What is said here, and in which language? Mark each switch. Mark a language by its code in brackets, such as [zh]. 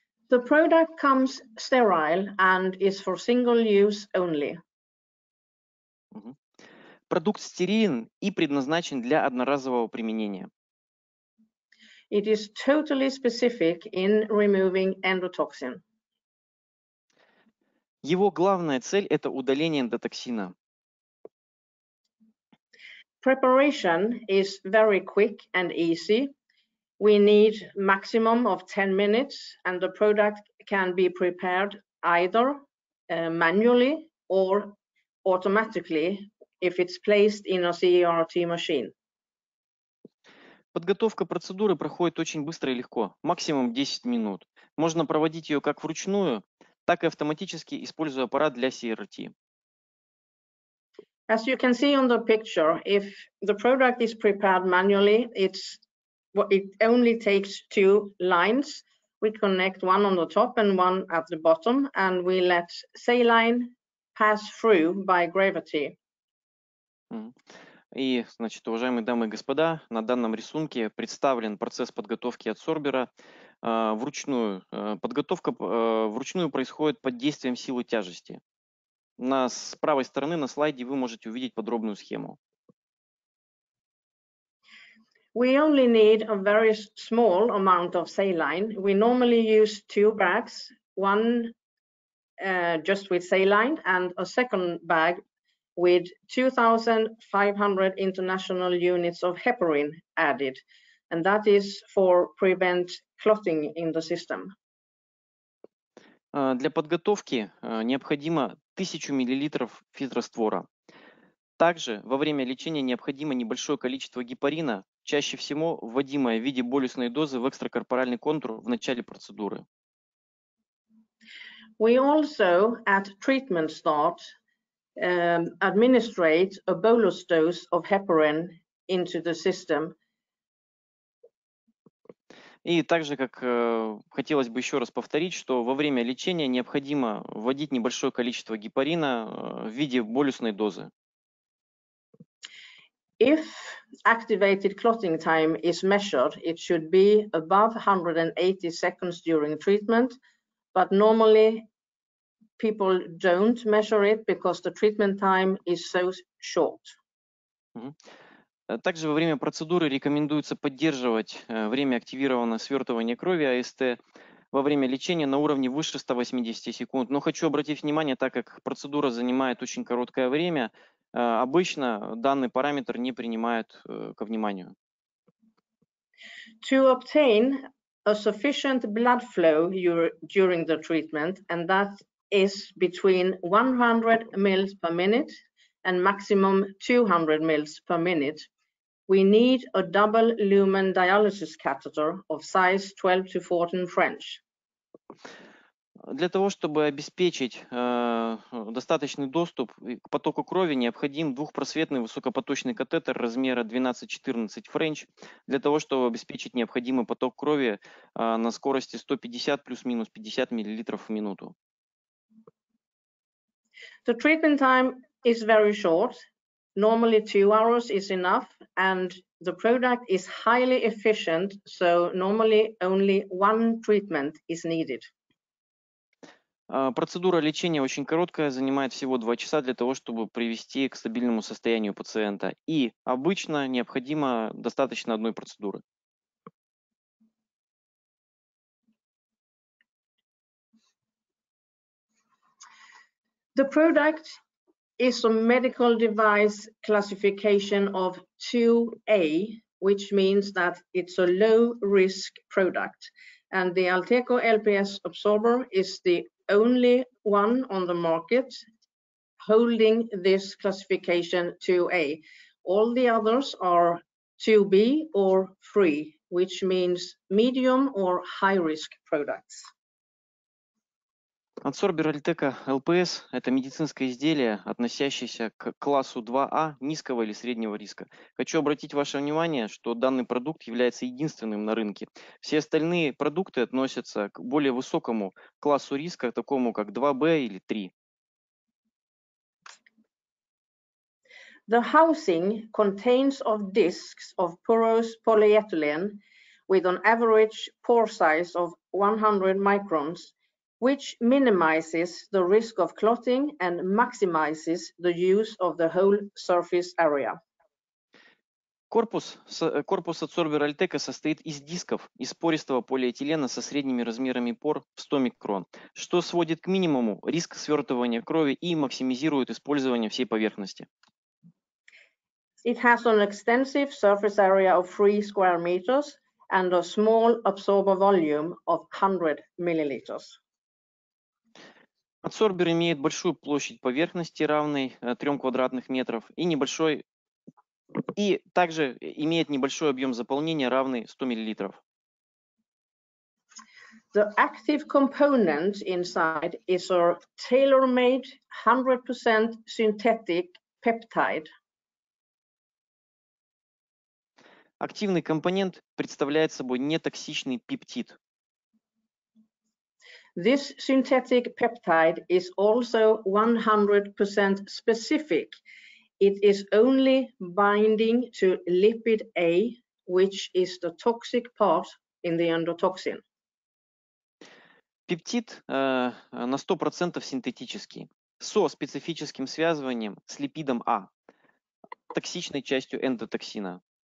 [en] The product comes sterile and is for single use only. [ru] Продукт стерилен и предназначен для одноразового применения. [en] It is totally specific in removing endotoxin. [ru] Его главная цель – это удаление эндотоксина. [en] Preparation is very quick and easy. We need maximum of 10 minutes, and the product can be prepared either manually or automatically if it's placed in a CRRT machine. [ru] Подготовка процедуры проходит очень быстро и легко, максимум 10 минут. Можно проводить ее как вручную, так и автоматически, используя аппарат для CRRT. [en] As you can see on the picture, if the product is prepared manually, it only takes two lines. We connect one on the top and one at the bottom, and we let saline pass through by gravity. [ru] И, значит, уважаемые дамы и господа, на данном рисунке представлен процесс подготовки адсорбера вручную. Подготовка вручную происходит под действием силы тяжести. С правой стороны на слайде вы можете увидеть подробную схему. [en] We only need a very small amount of saline. We normally use two bags, one just with saline and a second bag with 2,500 international units of heparin added. And that is for prevent clotting in the system. [ru] Для подготовки необходимо 1000 миллилитров фитроствора. Также во время лечения необходимо небольшое количество гепарина, чаще всего вводимое в виде болюсной дозы в экстракорпоральный контур в начале процедуры. [en] We also, at treatment start, administrate a bolus dose of heparin into the system. [ru] И также, как хотелось бы еще раз повторить, что во время лечения необходимо вводить небольшое количество гепарина в виде болюсной дозы. [en] If activated clotting time is measured, it should be above 180 seconds during treatment, but normally people don't measure it because the treatment time is so short. [ru] Также во время процедуры рекомендуется поддерживать время активированного свертывания крови АСТ во время лечения на уровне выше 180 секунд. Но хочу обратить внимание, так как процедура занимает очень короткое время, обычно данный параметр не принимают ко вниманию. [en] To obtain a sufficient blood flow during the treatment, and that is between 100 mL per minute and maximum 200 mL per minute, we need a double lumen dialysis catheter of size 12 to 14 French. [ru] Для того, чтобы обеспечить достаточный доступ к потоку крови, необходим двухпросветный высокопоточный катетер размера 12-14 френч. Для того, чтобы обеспечить необходимый поток крови на скорости 150 плюс-минус 50 миллилитров в минуту. [en] The treatment time is very short. Normally 2 hours is enough, and the product is highly efficient, so normally only one treatment is needed. [ru] Процедура лечения очень короткая, занимает всего 2 часа для того, чтобы привести к стабильному состоянию пациента. И обычно необходимо достаточно одной процедуры. [en] The product is a medical device classification of 2A, which means that it's a low risk product. And the Alteco LPS absorber is the only one on the market holding this classification 2A. All the others are 2B or 3, which means medium or high risk products. [ru] Адсорбер Альтека ЛПС – это медицинское изделие, относящееся к классу 2А низкого или среднего риска. Хочу обратить ваше внимание, что данный продукт является единственным на рынке. Все остальные продукты относятся к более высокому классу риска, такому как 2Б или 3. [en] The housing contains of discs of porous polyethylene with an average pore size of 100 microns, which minimizes the risk of clotting and maximizes the use of the whole surface area. [ru] Корпус адсорбера Альтека состоит из дисков из пористого полиэтилена со средними размерами пор в 100 микрон, что сводит к минимуму риск свертывания крови и максимизирует использование всей поверхности. [en] It has an extensive surface area of 3 square meters and a small absorber volume of 100 milliliters. [ru] Адсорбер имеет большую площадь поверхности, равной 3 квадратных метров, и также имеет небольшой объем заполнения, равный 100 миллилитров. [en] The active component inside is a tailor-made 100% synthetic peptide. [ru] Активный компонент представляет собой нетоксичный пептид. [en] This synthetic peptide is also 100% specific. It is only binding to lipid A, which is the toxic part in the endotoxin. [ru] Пептид на 100% синтетический, со специфическим связыванием с липидом А, токсичной частью эндотоксина.